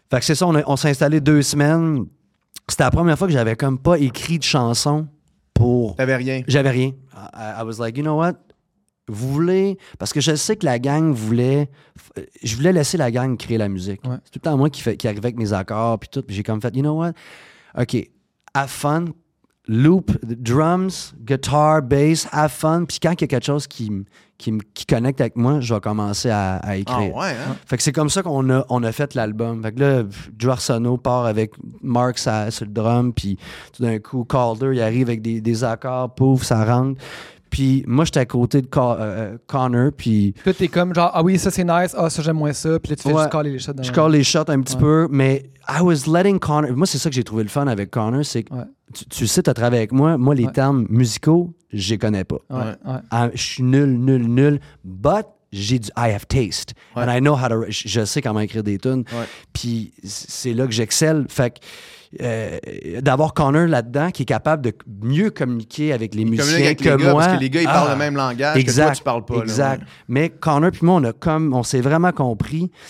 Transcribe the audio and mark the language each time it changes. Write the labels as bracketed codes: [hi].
[fr] Fait que c'est ça, on s'est installé 2 semaines. C'était la première fois que j'avais comme pas écrit de chanson pour... T'avais rien. J'avais rien. I was like, you know what? Vous voulez... Parce que je sais que la gang voulait... Je voulais laisser la gang créer la musique. Ouais. C'est tout le temps moi qui arrivais avec mes accords puis tout. Pis j'ai comme fait, you know what? [en] OK, have fun. Loop, drums, guitar, bass, have fun. [fr] Puis quand il y a quelque chose qui connecte avec moi, je vais commencer à écrire. Ah ouais, hein? Fait que c'est comme ça qu'on a fait l'album. Fait que là, Drew Arsenault part avec Mark sur le drum, puis tout d'un coup, Calder, il arrive avec des accords, pouf, ça rentre. Puis moi, j'étais à côté de Connor, puis... Là, t'es comme genre, ah oui, ça, c'est nice, ah, ça, j'aime moins ça, puis là, tu fais juste caller les shots. Je calle les shots un petit peu, mais I was letting Connor... Moi, c'est ça que j'ai trouvé le fun avec Connor, c'est que tu sais, t'as travaillé avec moi, les termes musicaux, je les connais pas. Ouais. Ouais. [en] Je suis nul, but I have taste, and I know how to... [fr] Je sais comment écrire des tunes, puis c'est là que j'excelle, fait que... d'avoir Connor là-dedans qui est capable de mieux communiquer avec les musiciens avec que les moi parce que les gars ils parlent le même langage exact, que toi tu parles pas exact là, ouais. Mais Connor puis moi on s'est vraiment compris,